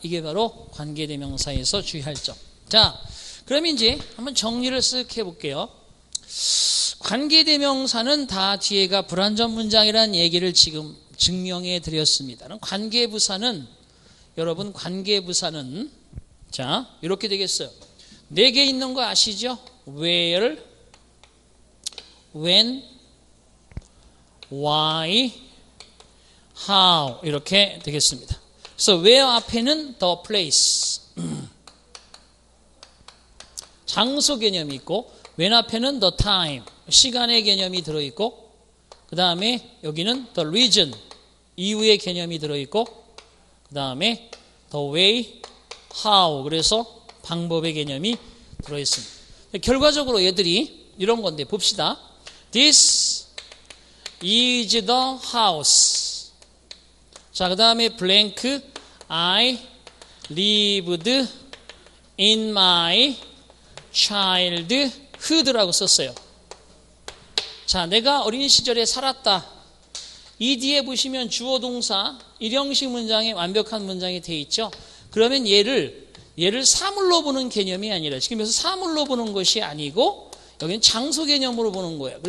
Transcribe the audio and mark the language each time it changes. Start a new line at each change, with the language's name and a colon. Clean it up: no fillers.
Korean: 이게 바로 관계대명사에서 주의할 점. 자, 그럼 이제 한번 정리를 쓱 해볼게요. 관계대명사는 다 뒤에가 불완전 문장이라는 얘기를 지금 증명해 드렸습니다. 관계부사는, 여러분 관계부사는 자 이렇게 되겠어요. 네 개 있는 거 아시죠? Where, When, Why, How 이렇게 되겠습니다. So where 앞에는
English: the place,
Korean: 장소 개념이 있고 when 앞에는
English: the time,
Korean: 시간의 개념이 들어있고 그 다음에 여기는
English: the region,
Korean: 이유의 개념이 들어있고 그 다음에
English: the way,
Korean: how, 그래서 방법의 개념이 들어있습니다. 결과적으로 얘들이 이런 건데 봅시다.
English: This is the house.
Korean: 자, 그 다음에 blank.
English: I lived in my childhood라고
Korean: 썼어요. 자, 내가 어린 시절에 살았다. 이 뒤에 보시면 주어 동사 일형식 문장에 완벽한 문장이 돼 있죠. 그러면 얘를 사물로 보는 개념이 아니라 지금 여기서 사물로 보는 것이 아니고 여기는 장소 개념으로 보는 거예요.